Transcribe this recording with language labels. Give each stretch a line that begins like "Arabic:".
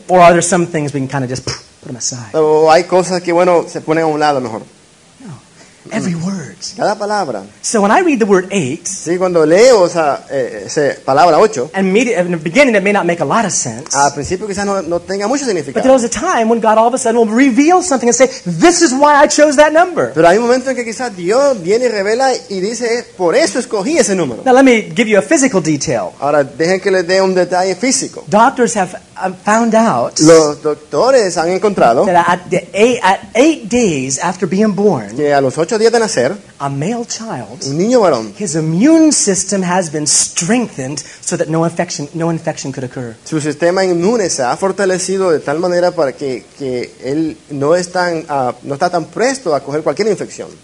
English: Or are there some things we can kind of just put them aside?
Spanish: O hay cosas que bueno se ponen a un lado mejor.
English: Every word.
Spanish: Cada palabra.
English: So when I read the word 8,
Spanish: sí, cuando leo esa palabra 8,
English: in the beginning it may not make a lot of sense.
Spanish: Al principio quizás no tenga mucho significado.
English: But there was a time when God all of a sudden will reveal something and say, "This is why I chose that number."
Spanish: Pero hay un momento en que quizás Dios viene y revela y dice, "Por eso escogí ese número."
English: Now let me give you a physical detail.
Spanish: Ahora dejen que les dé un detalle físico.
English: Doctors have found out.
Spanish: Los doctores han encontrado
English: that at 8 days after being born,
Spanish: que a los 8 días de nacer,
English: a male child,
Spanish: un niño varón,
English: his immune system has been strengthened so that no infection could occur.
Spanish: Su sistema inmune se ha fortalecido de tal manera para que él no está tan presto a coger cualquier infección.